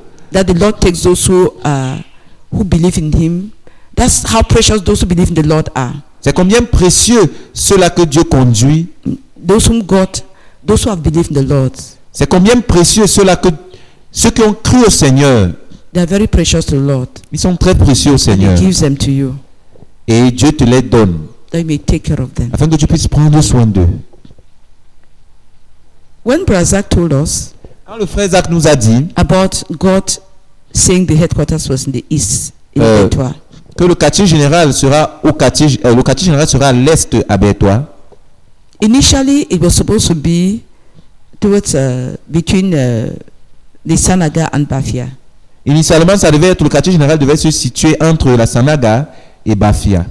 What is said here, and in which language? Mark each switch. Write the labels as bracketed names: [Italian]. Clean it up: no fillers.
[English] That the Lord takes those who believe in Him. That's how precious those who believe in the Lord are. [French] C'est combien précieux ceux-là que Dieu conduit. [English] Those who have believed in the Lord. [French] C'est combien précieux ceux qui ont cru au Seigneur. [English] They are very precious to the Lord. [French] Ils sont très précieux au Seigneur. [English] And He gives them to you. [French] Et Dieu te les donne. [English] That you may take care of them. [French] Afin que tu puisses prendre soin d'eux. [English] When Brother Zach told us. [French] Quand le frère Zach nous a dit. [English] About God saying the headquarters was in the east in Bétois. [French] Que le quartier général sera à l'est à Bétois. [English] Initially, it was supposed to be towards between the Sanaga and Bafia. [French] Initialement, ça devait être le quartier général devait se situer entre la Sanaga et Bafia.